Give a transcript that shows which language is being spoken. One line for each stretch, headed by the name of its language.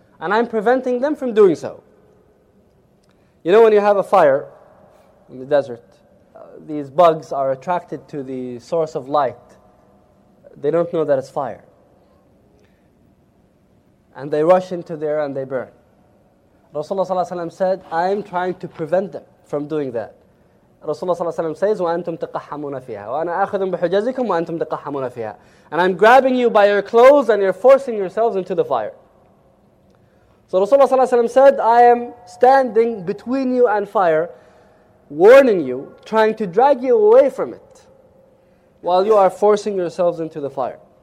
English: And I'm preventing them from doing so. You know, when you have a fire in the desert, these bugs are attracted to the source of light. They don't know that it's fire. And they rush into there and they burn. Rasulullah ﷺ said, I'm trying to prevent them from doing that.
Arabic: Rasulullah ﷺ says, وَأَنْتُمْ تَقَحَّمُونَ فِيهَا وَأَنَا أَخَذُمْ بِحُجَزِكُمْ وَأَنْتُمْ تَقَحَّمُونَ فِيهَا.
English: And I'm grabbing you by your clothes and you're forcing yourselves into the fire. So Rasulullah ﷺ said, I am standing between you and fire, warning you, trying to drag you away from it while you are forcing yourselves into the fire.